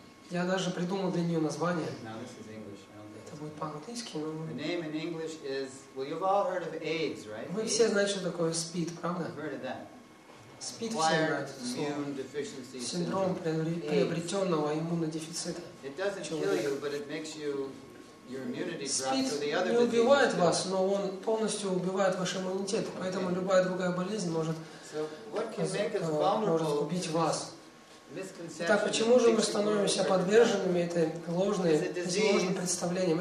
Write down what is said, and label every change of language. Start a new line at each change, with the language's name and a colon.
Russian: Я даже придумал для нее название. Это будет по-английски, но...
English: The name in English is... Well, you've all heard of AIDS, right?
Russian: Вы все знаете, что такое СПИД, правда?
English: You've heard of that.
Russian: СПИД все знают. Синдром приобретенного иммунодефицита.
English: It doesn't kill you, but it makes you...
Russian: СПИД не убивает вас, но он полностью убивает ваш иммунитет, поэтому любая другая болезнь может убить вас. Так почему же мы становимся подверженными этой ложной, этим ложным представлениям?